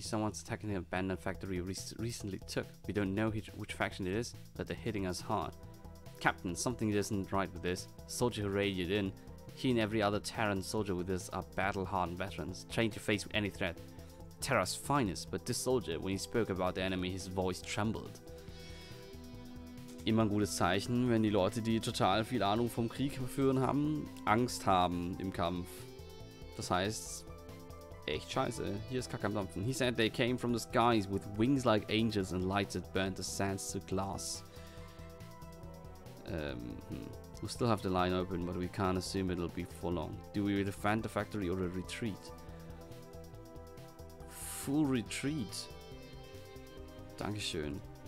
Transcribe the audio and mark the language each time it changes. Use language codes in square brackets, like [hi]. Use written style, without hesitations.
[en] Someone's attacking the abandoned factory we recently took. We don't know which faction it is, but they're hitting us hard. Captain, something isn't right with this. Soldier who raided in. He and every other Terran soldier with us are battle-hardened veterans, trained to face any threat. Terra's finest, but this soldier, when he spoke about the enemy, his voice trembled. [de] Immer ein gutes Zeichen, wenn die Leute, die total viel Ahnung vom Krieg führen haben, Angst haben im Kampf. Das heißt, echt scheiße, hier ist Kacke am Dampfen. [en] He said they came from the skies with wings like angels and lights that burned the sands to glass. We still have the line open, but we can't assume it'll be for long. Do we defend the factory or a retreat? Full retreat. Dankeschön.